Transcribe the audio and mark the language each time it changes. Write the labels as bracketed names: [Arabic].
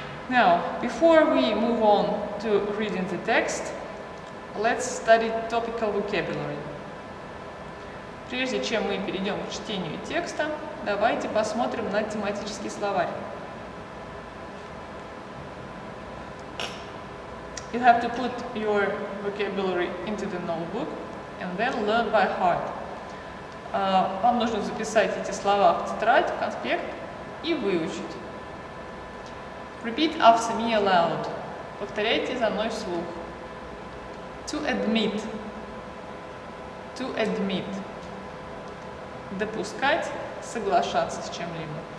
[English] Now, before we move on to reading the text, let's study topical vocabulary. [Russian] Прежде чем мы перейдем к чтению текста, давайте посмотрим на тематический словарь. [English] You have to put your vocabulary into the notebook and then learn by heart. [Russian] Вам нужно записать эти слова в тетрадь, в конспект и выучить. [English] Repeat after me aloud. [Russian] Повторяйте за мной вслух. [English] To admit. To admit. [Russian] Допускать, соглашаться с чем-либо.